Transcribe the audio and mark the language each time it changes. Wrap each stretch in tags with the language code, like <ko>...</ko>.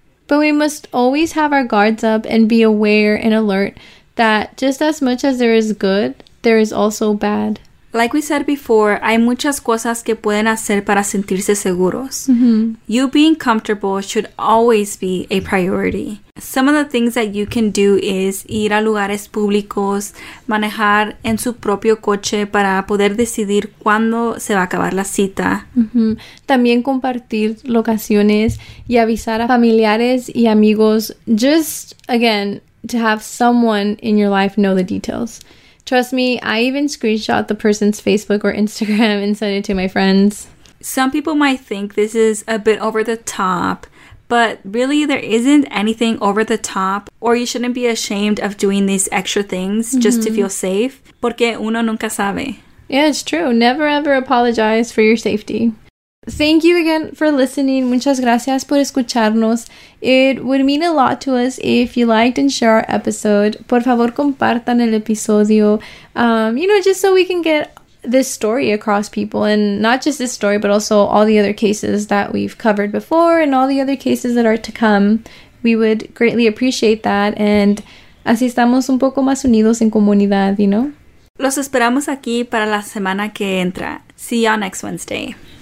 <en>But we must always have our guards up and be aware and alert that just as much as there is good, there is also bad.</en> <es>Like we said before, hay muchas cosas que pueden hacer para sentirse seguros. Mm-hmm.</es> <en>You being comfortable should always be a priority.</en> <es>Some of the things that you can do is ir a lugares públicos, manejar en su propio coche para poder decidir cuándo se va a acabar la cita. Mm-hmm. También compartir locaciones y avisar a familiares y amigos.</es> <en>Just, again, to have someone in your life know the details. Trust me, I even screenshot the person's Facebook or Instagram and sent it to my friends. Some people might think this is a bit over the top, but really there isn't anything over the top, or you shouldn't be ashamed of doing these extra things just to feel safe, porque uno nunca sabe. Yeah, it's true. Never ever apologize for your safety. Thank you again for listening.</en> <es>Muchas gracias por escucharnos.</es> <en>It would mean a lot to us if you liked and share our episode. Por favor, compartan el episodio. You know, just so we can get this story across people. And not just this story, but also all the other cases that we've covered before and all the other cases that are to come. We would greatly appreciate that.</en> <es>And así estamos un poco más unidos en comunidad, you know? Los esperamos aquí para la semana que entra.</es> <en>See y'all next Wednesday.</en>